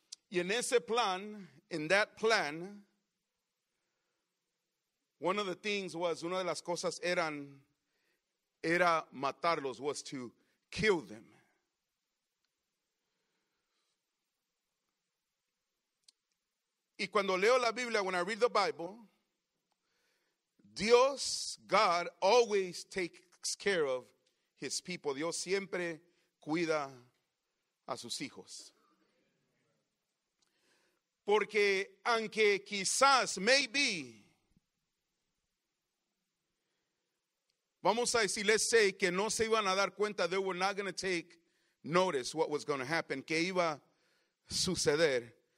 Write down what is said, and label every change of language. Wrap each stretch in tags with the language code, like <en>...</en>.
<es>Y en ese plan,</es> <en>in that plan, one of the things was,</en> <es>una de las cosas eran, era matarlos,</es> <en>was to kill them. Y cuando leo la Biblia, when I read the Bible, Dios, God, always takes care of his people.</en> <es>Dios siempre cuida a sus hijos. Porque aunque quizás,</es> <en>maybe,</en> <es>vamos a decir,</es> <en>let's say,</en> <es>que no se iban a dar cuenta,</es> <en>they were not going to take notice what was going to happen,</en> <es>que iba a suceder.</es>